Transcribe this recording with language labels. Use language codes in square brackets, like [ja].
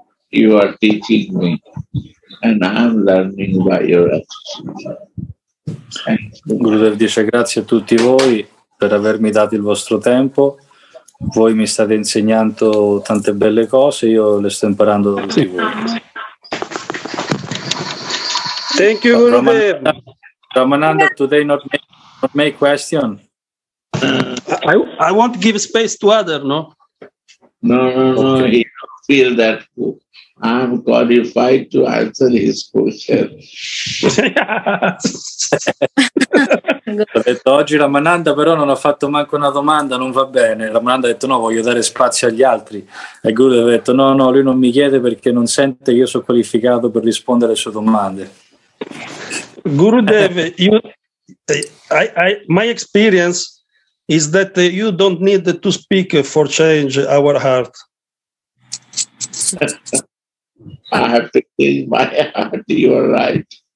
[en] You are teaching me and I'm learning by your attitude. [it] Gurudev dice grazie a tutti voi per avermi dato il vostro tempo. Voi mi state insegnando tante belle cose, io le sto imparando da tutti voi. [en] Thank you, Gurudev. Ramananda, today not make question. I want to give space to other, no? No. Okay. He don't feel that I'm qualified to answer his question. [it] Ha detto oggi Ramananda, però non ha fatto manco una domanda, non va bene. Ramananda ha detto no, voglio dare spazio agli altri. E Gurudev ha detto no, lui non mi chiede perché non sente che io sono qualificato per rispondere alle sue domande. [en] Gurudev, I my experience is that you don't need to speak for change our heart. I have to change my heart, you are right.